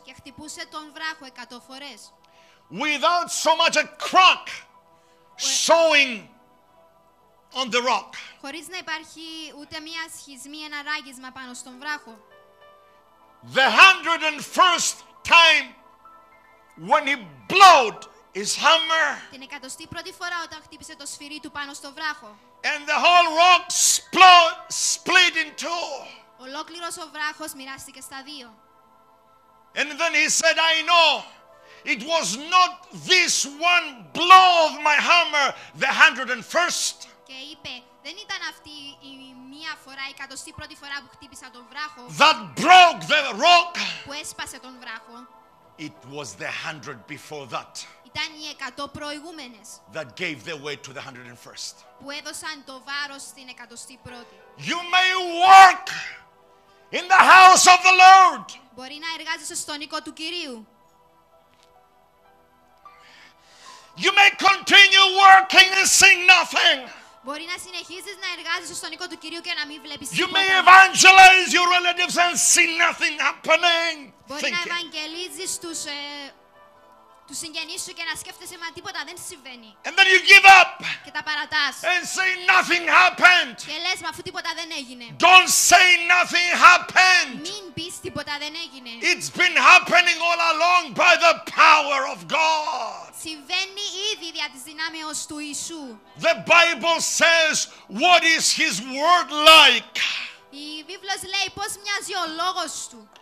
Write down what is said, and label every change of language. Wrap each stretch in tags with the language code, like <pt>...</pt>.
<el>Και χτυπούσε τον βράχο 100 φορές.</el> <en>without so much a crack showing on the rock.</en> <el>Χωρίς να υπάρχει ούτε μία σχισμή, ένα ράγισμα πάνω στον βράχο.</el> <en>The 101st time when he blew his hammer.</en> <el>Την 101η φορά όταν χτύπησε το σφυρί του πάνω στο βράχο.</el> <en>And the whole rock split in two.</en> <el>Ολόκληρος ο βράχος μοιράστηκε στα δύο.</el> <en>And then he said, I know it was not this one blow of my hammer, the 101st.</en> <el>Και είπε, δεν ήταν αυτή η μία φορά, η 101η φορά που χτύπησα τον βράχο.</el> <en>That broke the rock.</en> <el>Που έσπασε τον βράχο.</el> <en>It was the 100 before that.</en> <el>Ήταν οι 100 προηγούμενες.</el> <en>That gave the way to the 101st.</en> <el>Που έδωσαν το βάρος στην 101η.</el> <en>You may work in the house of the Lord.</en> <el>Μπορεί να εργάζεσαι στον οίκο του Κυρίου.</el> <en>You may continue working and seeing nothing.</en> <el>Μπορεί να συνεχίζεις να εργάζεσαι στον οίκο του Κυρίου και να μην βλέπεις τίποτα.</el> <en>You may evangelize your relatives and see nothing happening.</en> <el>Μπορεί να ευαγγελίζεις τους συγγενείς σου και να σκέφτεσαι μα τίποτα δεν συμβαίνει.</el> <en>And then you give up.</en> <el>Και τα παρατάς.</el> <en>And say nothing happened.</en> <el>Και λες μα αφού τίποτα δεν έγινε.</el> <en>Don't say nothing happened.</en> <el>Μην πεις τίποτα δεν έγινε.</el> <en>It's been happening all along by the power of God.</en> <el>Συμβαίνει ήδη δια της δυνάμεως του Ιησού.</el> <en>The Bible says, what is his word like?</en> <el>Η Βίβλος λέει πώς μοιάζει ο λόγος του.</el>